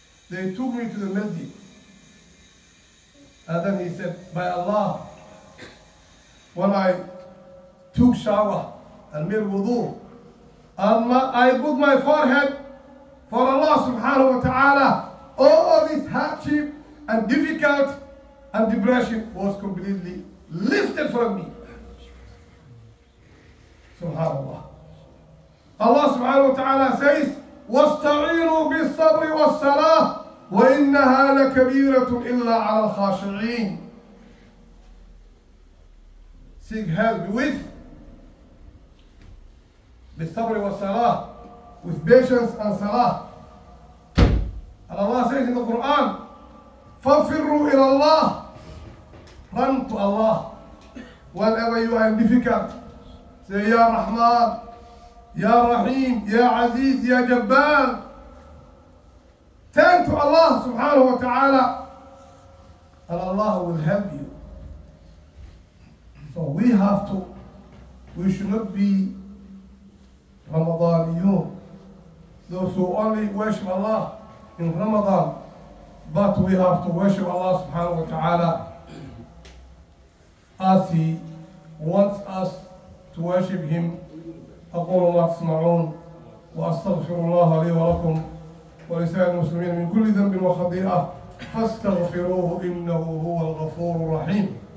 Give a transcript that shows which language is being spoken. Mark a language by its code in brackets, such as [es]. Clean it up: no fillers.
[en] They took me to the masjid. And then he said, by Allah, when I took shower and made wudu, I put my forehead for Allah subhanahu wa ta'ala, all this hardship and difficult and depression was completely lifted from me. Subhanallah. Allah subhanahu wa ta'ala says, [ar] وَاسْتَعِينُوا بِالصَّبْرِ وَالصَّلَاةِ وَإِنَّهَا لَكَبِيرَةٌ إِلَّا عَلَى الْخَاشِعِينَ. [en] Seek help with [ar] بالصبر والصلاة, [en] with patience and salah. And Allah says in the Quran, [ar] فَفِرُّوا إِلَى اللَّهِ, [en] run to Allah. Whenever you are in difficulty, say, [ar] يا رحمن, يا رحيم, يا عزيز, يا جبار. [en] Turn to Allah subhanahu wa ta'ala and Allah will help you. So we have to, we should not be Ramadaniyun, those who only worship Allah in Ramadan, but we have to worship Allah subhanahu wa ta'ala as He wants us to worship Him. [ar] أقول ما تسمعون وأستغفر الله لي ولكم ولسائر المسلمين من كل ذنب وخطيئة فاستغفروه إنه هو الغفور الرحيم.